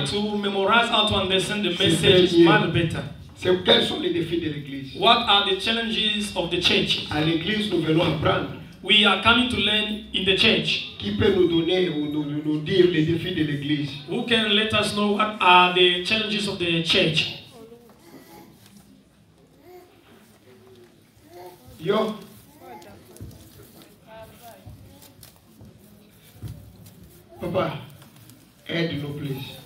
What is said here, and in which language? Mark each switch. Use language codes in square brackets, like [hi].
[en] But to memorize how to understand the message is far better. [fr] C'est quels sont les défis de l'Église? [en] What are the challenges of the church? [fr] À l'Église, nous venons apprendre. [en] We are coming to learn in the church. [fr] Qui peut nous donner ou nous dire les défis de l'Église? [en] Who can let us know what are the challenges of the church? Yo. [fr] Papa, aide-nous, [en] please.